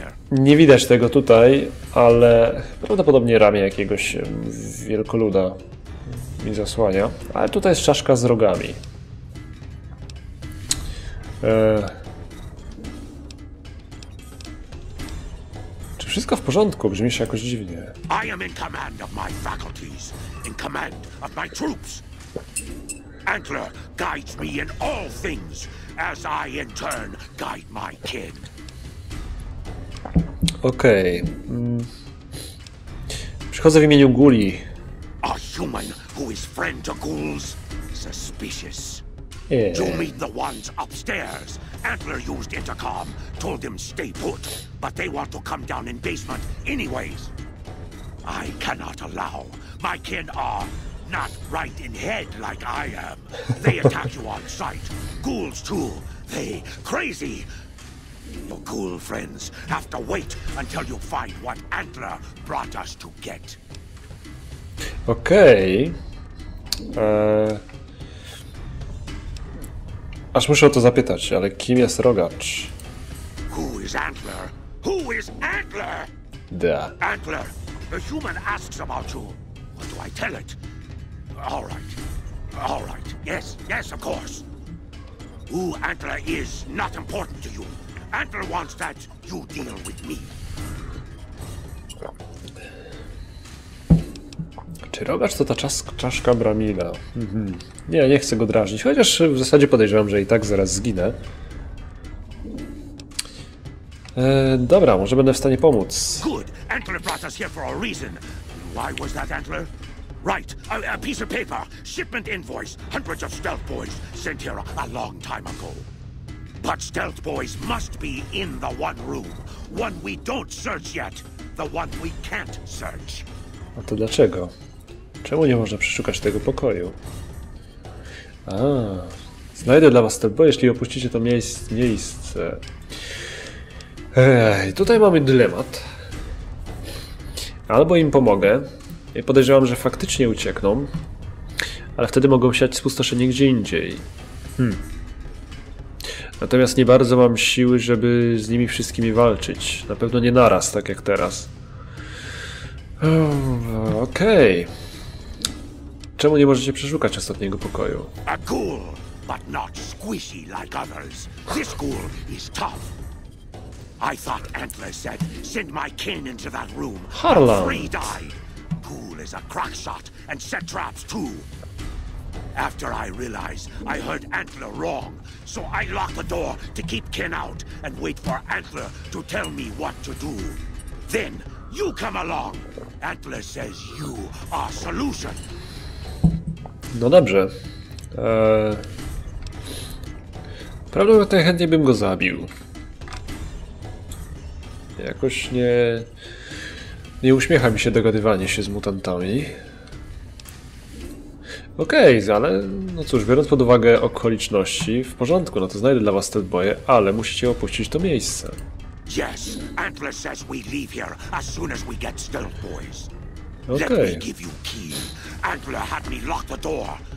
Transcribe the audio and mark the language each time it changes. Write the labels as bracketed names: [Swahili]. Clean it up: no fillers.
[Polish] Nie widać tego tutaj, ale prawdopodobnie ramię jakiegoś wielkoluda mi zasłania. Ale tutaj jest czaszka z rogami. Wszystko w porządku, brzmi się jakoś dziwnie. [English] I am in command of my faculties, in command of my troops. Antler guides me in all things, as I in turn guide my kin. [Polish] Okej. Przychodzę w imieniu Guli. [English] A human who is friend to ghouls? Suspicious. You mean the ones upstairs? Antler used intercom, told them stay put, but they want to come down in basement anyways. I cannot allow. My kin are not right in head like I am. They attack you on sight. Ghouls too. They crazy. Your ghoul friends have to wait until you find what Antler brought us to get. [Polish] Okej. Aż muszę o to zapytać, ale kim jest rogacz? [English] Who is Antler? Who is Antler? Da. Antler, a human asks about you. What do I tell it? Alright. Alright. Yes, yes, of course. Who Antler is not important to you. Antler wants that you deal with me. [Polish] Czy rogacz to ta czaszka Bramila? Nie, nie chcę go drażnić. Chociaż w zasadzie podejrzewam, że i tak zaraz zginę. Dobra, może będę w stanie pomóc. [English] Good. Antler brought us here for a reason. Why was that, Antler? Right, a piece of paper. Shipment invoice. Hundreds of stealth boys sent here a long time ago. But stealth boys must be in the one room. One we don't search yet. The one we can't search. [Polish] A to dlaczego? Czemu nie można przeszukać tego pokoju? A, znajdę dla was stealth boy, jeśli opuścicie to miejsce. Tutaj mamy dylemat. Albo im pomogę. I podejrzewam, że faktycznie uciekną, ale wtedy mogą siać spustoszenie gdzie indziej. Natomiast nie bardzo mam siły, żeby z nimi wszystkimi walczyć. Na pewno nie naraz, tak jak teraz. Okej. Okay. Czemu nie możecie przeszukać ostatniego pokoju? [English] A ghoul, but not squishy like others. This ghoul is tough. I thought Antler said, send my kin into that room. Harlan. Ghoul is a crack shot and set traps too. After I realized I heard Antler wrong, so I locked the door to keep Ken out and wait for Antler to tell me what to do. Then you come along. Antler says you are solution. [Polish] No dobrze. Prawdopodobnie chętnie bym go zabił. Jakoś nie. Nie uśmiecha mi się dogadywanie się z mutantami. Okej, okay, ale no cóż, biorąc pod uwagę okoliczności, w porządku, no to znajdę dla was stealth boye, ale musicie opuścić to miejsce. [English] Yes, Antler says we leave here as soon as we get stealth boys. Okay. Let me give you key. Antler had me lock the door.